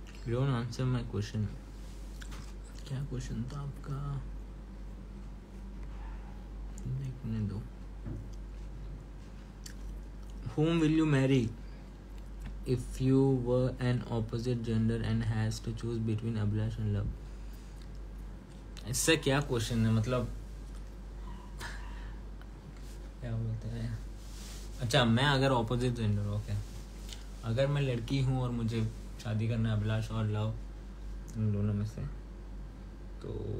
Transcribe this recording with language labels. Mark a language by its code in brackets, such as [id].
[en] Don't answer my question. [hi] क्या question था आपका, देखने दो। [en] Whom will you marry if you were an opposite gender and has to choose between Abhilash and Love? [hi] इससे क्या question है, मतलब क्या बोलते हैं। अच्छा, मैं अगर ऑपोजिट जेंडर, ओके, अगर मैं लड़की हूँ और मुझे शादी करना है अभिलाष और लव, इन दोनों में से, तो